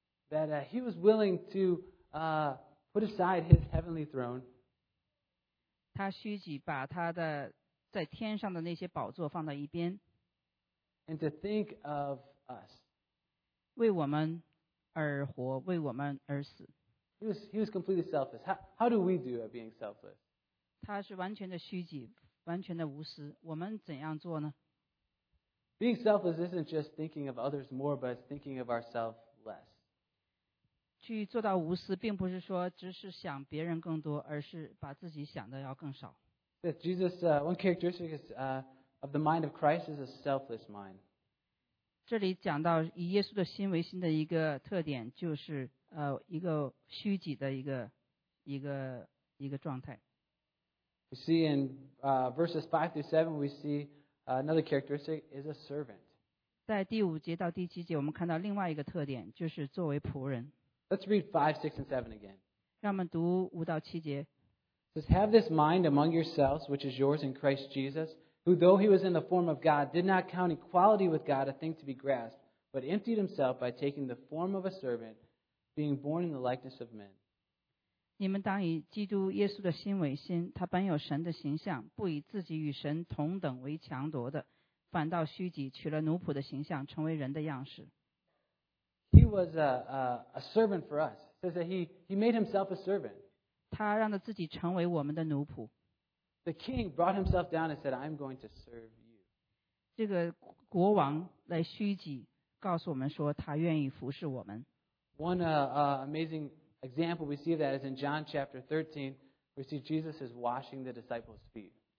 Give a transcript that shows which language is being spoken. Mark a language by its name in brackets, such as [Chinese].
[English] That he was willing to put aside his heavenly throne. [Chinese] 他虚己，把他的在天上的那些宝座放到一边。 [English] And to think of us. [Chinese] 为我们而活，为我们而死。 [English] He was completely selfless. How do we do at being selfless? [Chinese] 他是完全的虚己，完全的无私。我们怎样做呢？ [English] Being selfless isn't just thinking of others more, but it's thinking of ourselves less. [Chinese] 去做到无私，并不是说只是想别人更多，而是把自己想的要更少。 [English] Yes, Jesus, one characteristic is, of the mind of Christ is a selfless mind. [Chinese] 这里讲到以耶稣的心为心的一个特点，就是一个虚己的一个状态。 [English] We see in verses 5-7, we see another characteristic is a servant. [Chinese] 在第五节到第七节，我们看到另外一个特点，就是作为仆人。 [English] Let's read 5, 6, and 7 again. [Chinese] 让我们读五到七节。 [English] It says, "Have this mind among yourselves, which is yours in Christ Jesus, who, though he was in the form of God, did not count equality with God a thing to be grasped, but emptied himself by taking the form of a servant, being born in the likeness of men." [Chinese] 你们当以基督耶稣的心为心，他本有神的形象，不以自己与神同等为强夺的，反倒虚己，取了奴仆的形象，成为人的样式。 [English] He was a servant for us. It says that he made himself a servant. [Chinese] 他让他自己成为我们的奴仆。 [English] The king brought himself down and said, "I'm going to serve you." [Chinese] 这个国王来虚己，告诉我们说他愿意服侍我们。 [English] One amazing example we see of that is in John chapter 13. We see Jesus is washing the disciples' feet.